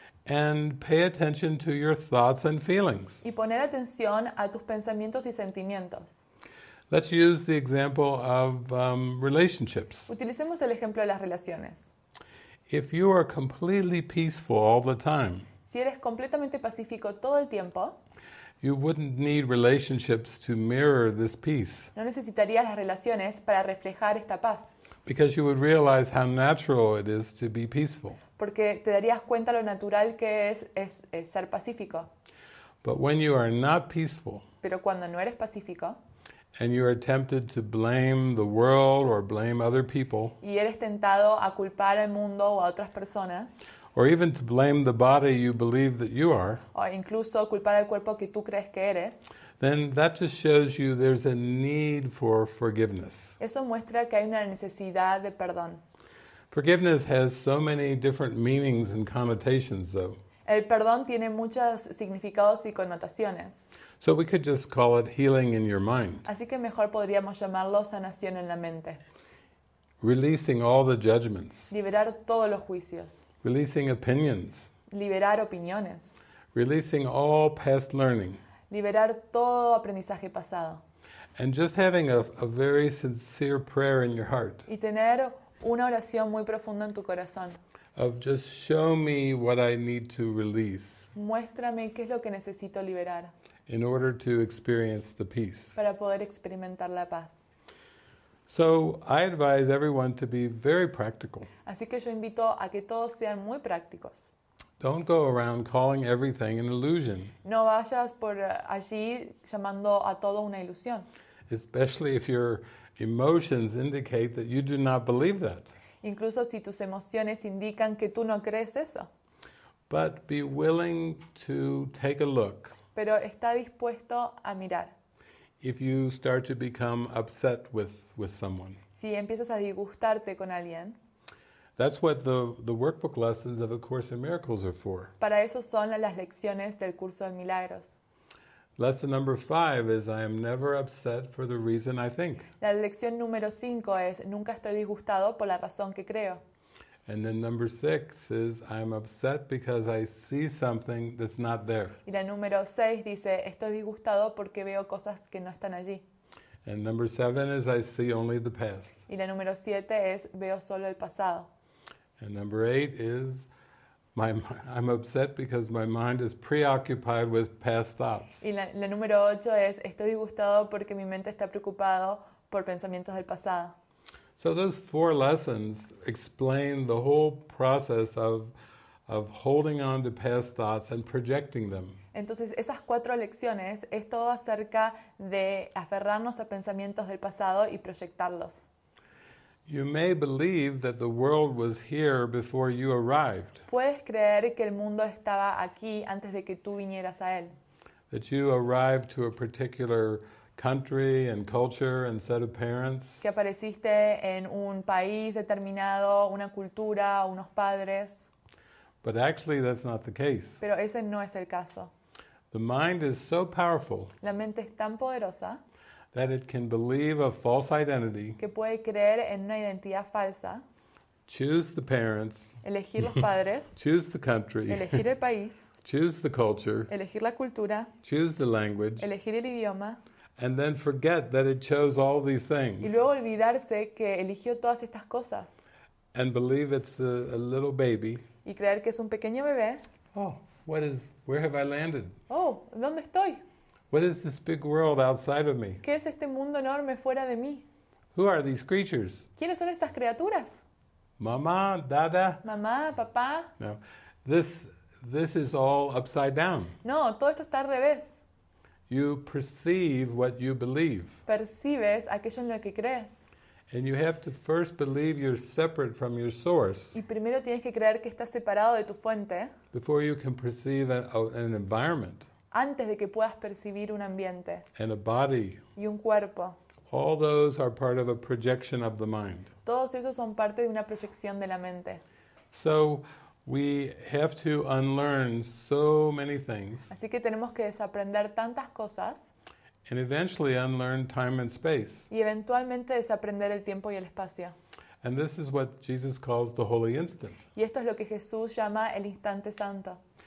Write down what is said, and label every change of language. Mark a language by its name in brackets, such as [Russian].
[English] And pay attention to your thoughts and feelings. [Spanish] Y poner atención a tus pensamientos y sentimientos. [English] Let's use the example of relationships. [Spanish] Utilicemos el ejemplo de las relaciones. [English] If you are completely peaceful all the time, [Spanish] si eres completamente pacífico todo el tiempo, [English] you wouldn't need relationships to mirror this peace. [Spanish] No necesitarías las relaciones para reflejar esta paz. [English] Because you would realize how natural it is to be peaceful. [Spanish] Porque te darías cuenta lo natural que es ser pacífico. [English] But when you are not peaceful, [Spanish] pero cuando no eres pacífico, [English] and you are tempted to blame the world or blame other people, [Spanish] y eres tentado a culpar al mundo o a otras personas, [English] or even to blame the body you believe that you are, [Spanish] o incluso culpar al cuerpo que tú crees que eres, [English] then that just shows you there's a need for forgiveness. [Spanish] Eso muestra que hay una necesidad de perdón. [English] Forgiveness has so many different meanings and connotations, though. [Spanish] El perdón tiene muchos significados y connotaciones. [English] So we could just call it healing in your mind. [Spanish] Así que mejor podríamos llamarlo sanación en la mente. [English] Releasing all the judgments. [Spanish] Liberar todos los juicios. [English] Releasing opinions. [Spanish] Liberar opiniones. [English] Releasing all past learning. [Spanish] Liberar todo aprendizaje pasado. [English] And just having a very sincere prayer in your heart. [Spanish] Y tener una oración muy profunda en tu corazón. [English] Of just show me what I need to release. [Spanish] Muéstrame qué es lo que necesito liberar. [English] In order to experience the peace. [Spanish] Para poder experimentar la paz. [English] So I advise everyone to be very practical. [Spanish] Así que yo invito a que todos sean muy prácticos. [English] Don't go around calling everything an illusion. [Spanish] No vayas por allí llamando a todo una ilusión. [English] Especially if your emotions indicate that you do not believe that. [Spanish] Incluso si tus emociones indican que tú no crees eso. [English] But be willing to take a look. [Spanish] Pero está dispuesto a mirar. [English] If you start to become upset with someone. [Spanish] Si si empiezas a disgustarte con alguien. [English] That's what the workbook lessons of A Course in Miracles are for. [Spanish] Para eso son las lecciones del curso de milagros. [English] Lesson number 5 is I am never upset for the reason I think. [Spanish] La lección número 5 es nunca estoy disgustado por la razón que creo. [English] And then number 6 is I'm upset because I see something that's not there. [Spanish] Y la número 6 dice estoy disgustado porque veo cosas que no están allí. [English] And number 7 is I see only the past. [Spanish] Y la número 7 es veo solo el pasado. [English] And number 8 is I'm upset because my mind is preoccupied with past thoughts. [Spanish] Y la número 8 es estoy disgustado porque mi mente está preocupado por pensamientos del pasado. [English] So those 4 lessons explain the whole process of holding on to past thoughts and projecting them. [Spanish] Entonces, esas 4 lecciones es todo acerca de aferrarnos a pensamientos del pasado y proyectarlos. [English] You may believe that the world was here before you arrived. [Spanish] Puedes creer que el mundo estaba aquí antes de que tú vinieras a él. [English] That you arrived to a particular country and culture and set of parents. [Spanish] Que apareciste en un país determinado, una cultura, unos padres. [English] But actually that's not the case. [Spanish] Pero ese no es el caso. [English] The mind is so powerful. [Spanish] La mente es tan poderosa. [English] That it can believe a false identity. [Spanish] Que puede creer en una identidad falsa. [English] Choose the parents. [Spanish] Elegir los padres. [English] Choose the country. [Spanish] Elegir el país. [English] Choose the culture. [Spanish] Elegir la cultura. [English] Choose the language. [Spanish] Elegir el idioma. [English] And then forget that it chose all these things. [Spanish] Y luego olvidarse que eligió todas estas cosas. [English] And believe it's a little baby. [Spanish] Y creer que es un pequeño bebé. [English] Oh, where have I landed? [Spanish] Oh, ¿dónde estoy? [English] What is this big world outside of me? [Spanish] ¿Qué es este mundo enorme fuera de mí? [English] Who are these creatures? [Spanish] ¿Quiénes son estas criaturas? Mamá, dada. Mamá, papá. [English] No, this is all upside down. [Spanish] No, todo esto está al revés. [English] You perceive what you believe. [Spanish] Percibes aquello en lo que crees. [English] And you have to first believe you're separate from your source. [Spanish] Y primero tienes que creer que estás separado de tu fuente. [English] Before you can perceive an environment. [Spanish] Antes de que puedas percibir un ambiente. [English] And a body. [Spanish] Y un cuerpo. [English] All those are part of a projection of the mind. [Spanish] Todos esos son parte de una proyección de la mente. [English] So we have to unlearn so many things. [Spanish] Así que tenemos que desaprender tantas cosas. [English] And eventually unlearn time and space. [Spanish] Y eventualmente desaprender el tiempo y el espacio. [English] And this is what Jesus calls the holy instant. [Spanish] Y esto es lo que Jesús llama el instante santo.